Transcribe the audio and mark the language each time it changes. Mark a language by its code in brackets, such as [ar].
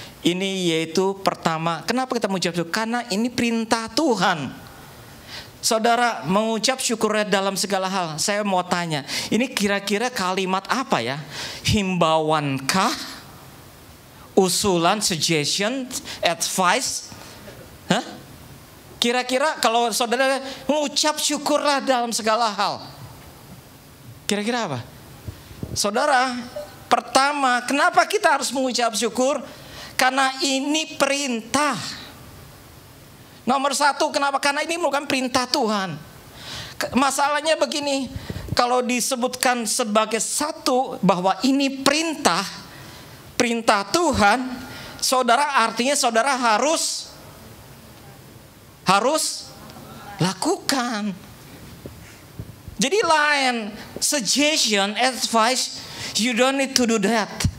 [id] Ini yaitu pertama, kenapa kita mengucap syukur? Karena ini perintah Tuhan. Saudara, mengucap syukurnya dalam segala hal. Saya mau tanya, ini kira-kira kalimat apa ya? Himbauankah? Usulan, [en] suggestion, advice? [id] Hah? Kira-kira kalau saudara mengucap syukurnya dalam segala hal. Kira-kira apa? Saudara, pertama, kenapa kita harus mengucap syukur? Karena ini perintah. Nomor satu, kenapa? Karena ini merupakan perintah Tuhan. Masalahnya begini, kalau disebutkan sebagai satu bahwa ini perintah Tuhan, saudara artinya saudara harus lakukan. Jadi lain, [en] suggestion, advice, you don't need to do that.